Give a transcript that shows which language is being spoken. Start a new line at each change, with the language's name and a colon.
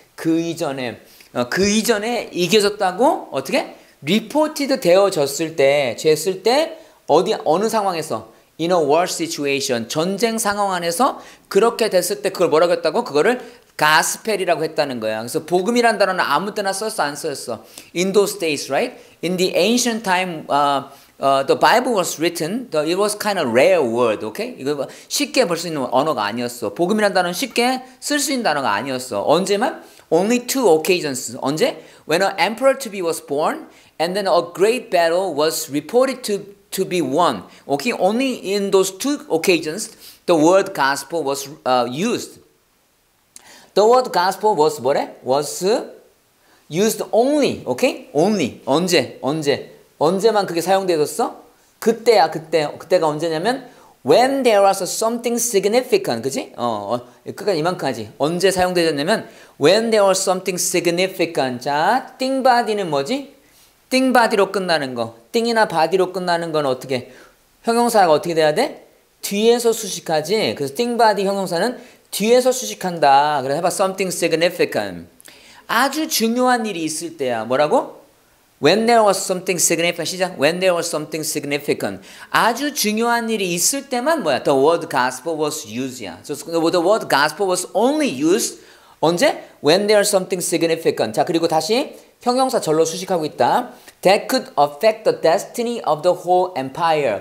Korean: 그 이전에 그 이전에 이겨졌다고 어떻게? Reported 되어졌을 때 쟀을 때 어디 어느 상황에서?
English: In a war situation.
Korean: 전쟁 상황 안에서 그렇게 됐을 때 그걸 뭐라고 했다고? 그거를 가스펠이라고 했다는 거야. 그래서 복음이란 단어는 아무 때나 썼어 안 썼어?
English: In those days, right? In the ancient time, the Bible was written. It was kind of rare word, okay?
Korean: 이거 쉽게 볼 수 있는 언어가 아니었어. 복음이란 단어는 쉽게 쓸 수 있는 단어가 아니었어. 언제만?
English: Only two occasions. 언제? When an emperor to be was born, and then a great battle was reported to be won. Okay? Only in those two occasions, the word gospel was used. The word gospel was
Korean: 뭐래?
English: Was used only, okay? Only.
Korean: 언제? 언제? 언제만 그게 사용되었어? 그때야, 그때. 그때가 언제냐면
English: When there was something significant,
Korean: 그지? 그러니까 이만큼하지. 언제 사용되었냐면
English: when there was something significant.
Korean: 자, thing body는 뭐지? thing body로 끝나는 거. thing이나 body로 끝나는 건 어떻게? 형용사가 어떻게 돼야 돼? 뒤에서 수식하지. 그래서 thing body 형용사는 뒤에서 수식한다. 그래서 해봐.
English: something significant.
Korean: 아주 중요한 일이 있을 때야. 뭐라고?
English: When there was something significant,
Korean: 시작.
English: When there was something significant,
Korean: 아주 중요한 일이 있을 때만 뭐야?
English: The word gospel was used야. So the word gospel was only used
Korean: 언제?
English: When there was something significant.
Korean: 자, 그리고 다시 형용사 절로 수식하고 있다.
English: That could affect the destiny of the whole empire.